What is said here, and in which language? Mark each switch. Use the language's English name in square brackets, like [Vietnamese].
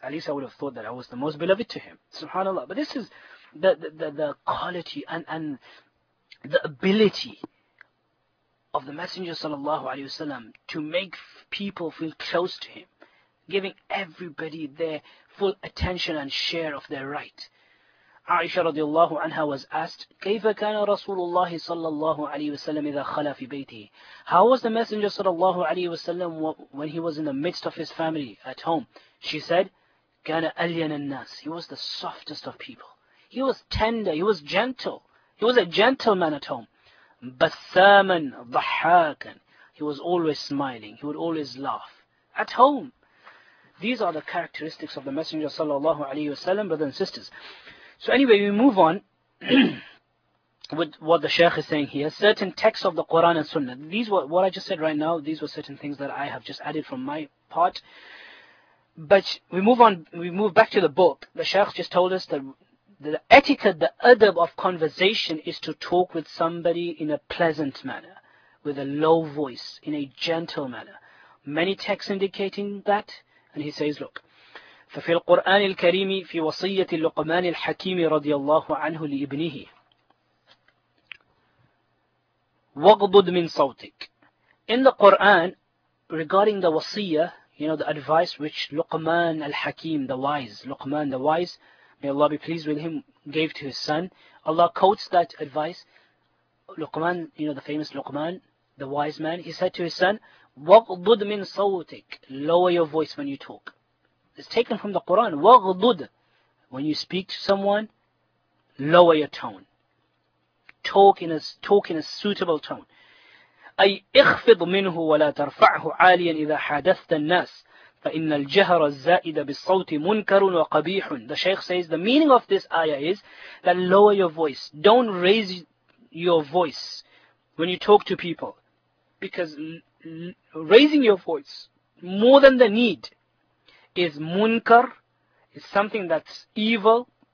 [English] At least I would have thought that I was the most beloved to him. SubhanAllah. But this is the quality and the ability of the Messenger sallallahu alayhi wasallam to make people feel close to him, giving everybody their full attention and share of their right. Aisha radiallahu anha was asked, [Arabic] كَيْفَ كَانَ رَسُولُ اللَّهِ صَلَّى اللَّهُ عَلَيْهِ وَسَلَّمِ إِذَا خَلَى فِي بَيْتِهِ. [English] How was the Messenger sallallahu alayhi wasallam when he was in the midst of his family at home? She said, [Arabic] كَانَ أَلْيَنَ النَّاسِ. [English] He was the softest of people. He was tender. He was gentle. He was a gentleman at home. [Arabic] بَسَّامًا ضَحَّاكًا. [English] He was always smiling. He would always laugh. At home. These are the characteristics of the Messenger sallallahu alayhi wasallam, brothers and sisters. So anyway, we move on with what the Shaykh is saying here. Certain texts of the Quran and Sunnah. These were what I just said right now. These were certain things that I have just added from my part. But we move on. We move back to the book. The Shaykh just told us that the etiquette, the adab of conversation is to talk with somebody in a pleasant manner, with a low voice, in a gentle manner. Many texts indicating that. And he says, look, [Arabic] ففي القرآن الكريم في وصية لقمان الحكيم رضي الله عنه لابنه: واغضض من صوتك. [English] In the Quran, regarding the wasiyah, you know, the advice which Luqman al-Hakim, the wise, Luqman the wise, may Allah be pleased with him, gave to his son, Allah quotes that advice. Luqman, you know, the famous Luqman, the wise man, he said to his son, [Arabic] واغضض من صوتك, [English] lower your voice when you talk. It's taken from the Quran. واغضض, when you speak to someone, lower your tone. Talk in a suitable tone. [Arabic] أي اخفض منه ولا ترفعه عاليا إذا حدثت الناس فإن الجهر الزائد بالصوت منكر وقبيح. [English] The Shaykh says the meaning of this ayah is that lower your voice. Don't raise your voice when you talk to people, because raising your voice more than the need is munkar, is something that's evil.